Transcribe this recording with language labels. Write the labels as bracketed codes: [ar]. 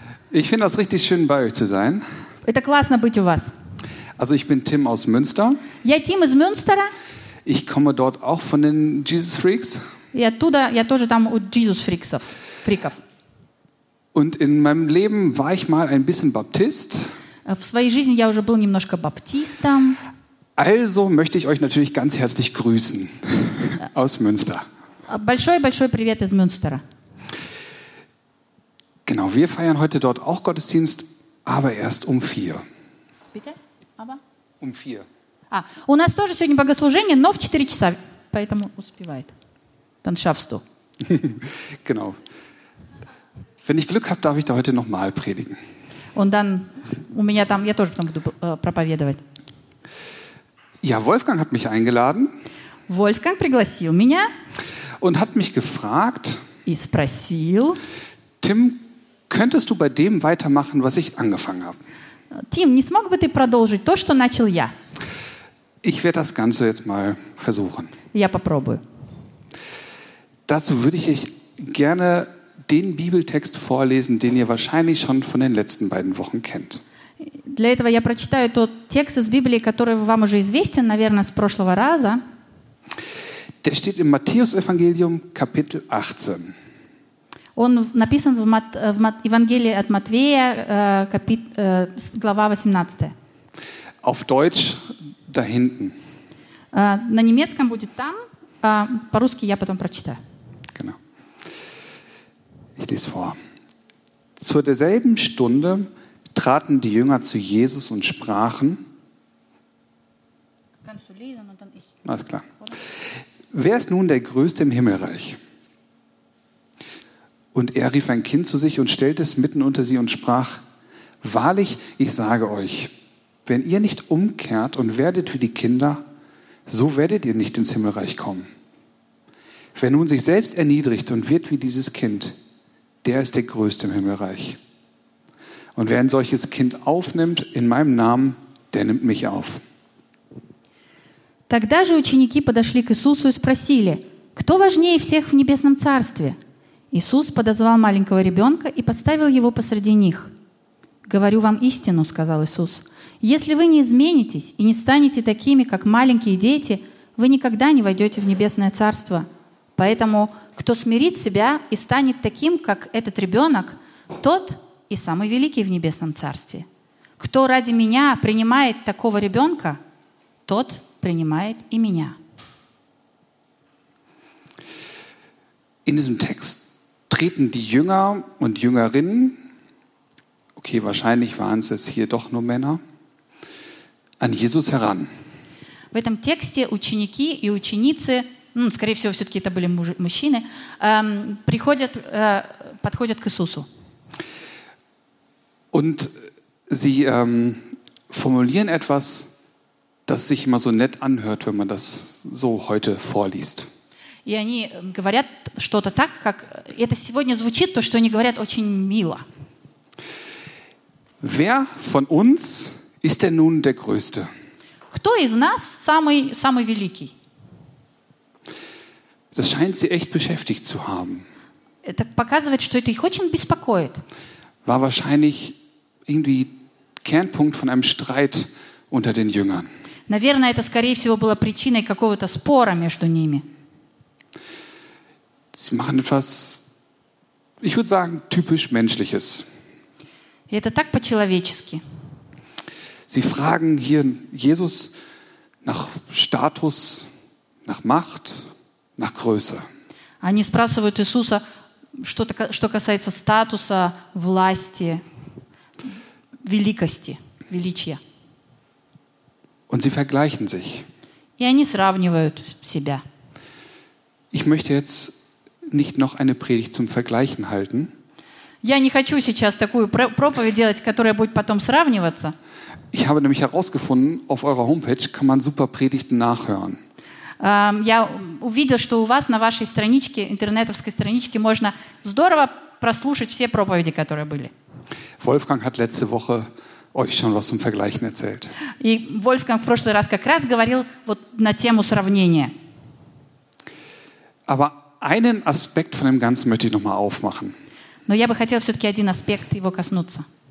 [de] Ich finde das richtig schön, bei euch zu sein. [ru] Это классно быть у вас. [de] Also ich bin Tim aus Münster. [ru] Я Тим из Мюнстера. [de] Ich komme dort auch von den Jesus Freaks. [ru] И оттуда я тоже там у Jesus Freaks'ов, фриков. [de] Und in meinem Leben war ich mal ein bisschen Baptist. [ru] В своей жизни я уже был немножко баптистом. [de] Also möchte ich euch natürlich ganz herzlich grüßen aus Münster. [ru] Большой-большой привет из Мюнстера. [de] Genau, wir feiern heute dort auch Gottesdienst, aber erst um 4. Bitte? Aber? Um 4. [ru] Ah, у нас тоже сегодня богослужение, но в 4 часа, поэтому успевает. [de] Dann schaffst du. Genau. Wenn ich Glück habe, darf ich da heute noch mal predigen. Und dann, [ru] у меня там, я тоже там буду проповедовать. [de] Ja, Wolfgang hat mich eingeladen. [ru] Wolfgang пригласил меня. [de] Und hat mich gefragt. [ru] И спросил. [de] Tim, könntest du bei dem weitermachen, was ich angefangen habe? [ru] Tim, не смог бы ты продолжить то, что начал я? [de] Ich werde das Ganze jetzt mal versuchen. [ru] Я попробую. [de] Dazu würde ich euch gerne den Bibeltext vorlesen, den ihr wahrscheinlich schon von den letzten beiden Wochen kennt. [ru] Для этого я прочитаю тот текст из Библии, который вам уже известен, наверное, с прошлого раза. [de] Der steht im Matthäus-Evangelium, Kapitel 18. [ru] Он написан в Евангелии от Матвея, глава 18. [de] Auf Deutsch da hinten. [ru] На немецком будет там, по-русски я потом прочитаю. [de] Genau. Ich lese vor. Zu derselben Stunde traten die Jünger zu Jesus und sprachen. Kannst du lesen und dann ich. Alles klar. Wer ist nun der Größte im Himmelreich? Und er rief ein Kind zu sich und stellte es mitten unter sie und sprach, wahrlich, ich sage euch, wenn ihr nicht umkehrt und werdet wie die Kinder, so werdet ihr nicht ins Himmelreich kommen. Wer nun sich selbst erniedrigt und wird wie dieses Kind, der ist der Größte im Himmelreich. Und wer ein solches Kind aufnimmt in meinem Namen, der nimmt mich auf. [ru] Тогда же ученики подошли к Иисусу и спросили, кто важнее всех в небесном царстве? Иисус подозвал маленького ребенка и поставил его посреди них. «Говорю вам истину», — сказал Иисус, — «если вы не изменитесь и не станете такими, как маленькие дети, вы никогда не войдете в небесное царство. Поэтому кто смирит себя и станет таким, как этот ребенок, тот и самый великий в небесном царстве. Кто ради меня принимает такого ребенка, тот принимает и меня». [de] In diesem Text treten die Jünger und Jüngerinnen, okay, wahrscheinlich waren es jetzt hier doch nur Männer, an Jesus heran. [ru] В этом тексте ученики и ученицы, скорее всего, все-таки это были мужчины, подходят к Иисусу. [de] Und sie formulieren etwas, das sich immer so nett anhört, wenn man das so heute vorliest. [ru] И они говорят что-то так, как это сегодня звучит, то, что они говорят очень мило. [de] Wer von uns ist denn nun der Größte? [ru] Кто из нас самый великий? [de] Das scheint sie echt beschäftigt zu haben. [ru] Это показывает, что это их очень беспокоит. [de] War wahrscheinlich irgendwie Kernpunkt von einem Streit unter den Jüngern. [ru] Наверное, это, скорее всего, было причиной какого-то спора между ними. [de] Sie machen etwas, ich würde sagen, typisch Menschliches. [ru] Это так по-человечески. [de] Sie fragen hier Jesus nach Status, nach Macht, nach Größe. [ru] Они спрашивают Иисуса что-то, что касается статуса, власти, великости, величия. [de] Und sie vergleichen sich. [ru] И они сравнивают себя. [de] Ich möchte jetzt nicht noch eine Predigt zum Vergleichen halten. [ru] Я не хочу сейчас такую проповедь делать, которая будет потом сравниваться. [de] Ich habe nämlich herausgefunden, auf eurer Homepage kann man super Predigten nachhören. [ru] Я увидел, что у вас на вашей страничке, интернетовской страничке, можно здорово прослушать все проповеди, которые были. [de] Wolfgang hat letzte Woche euch schon was zum Vergleichen erzählt. [ru] И Wolfgang в прошлый раз как раз говорил вот на тему сравнения. [de] Aber einen Aspekt von dem Ganzen möchte ich nochmal aufmachen. [ru] Но я бы хотела все-таки один аспект его коснуться.